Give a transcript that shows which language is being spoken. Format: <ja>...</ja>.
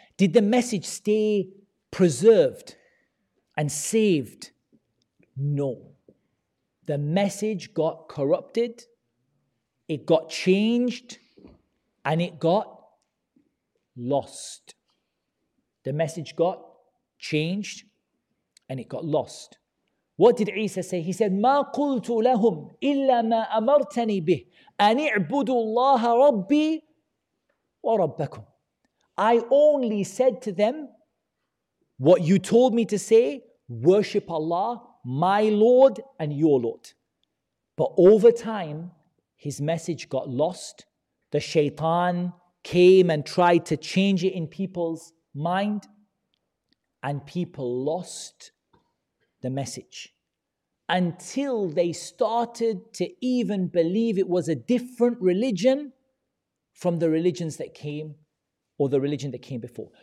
<en>Did the message stay preserved and saved? No. The message got corrupted, it got changed, and it got lost. The message got changed and it got lost. What did Isa say? He said,</en> <ar>مَا قُلْتُ لَهُمْ إِلَّا مَا أَمَرْتَنِي بِهِ أَنِ اعْبُدُوا اللَّهَ رَبِّي وَرَبَّكُمْ.</ar> <en>I only said to them, what you told me to say, worship Allah, my Lord and your Lord. But over time, his message got lost. The shaitan came and tried to change it in people's mind, and people lost the message until they started to even believe it was a different religion from the religions that came, or the religion that came before.</en>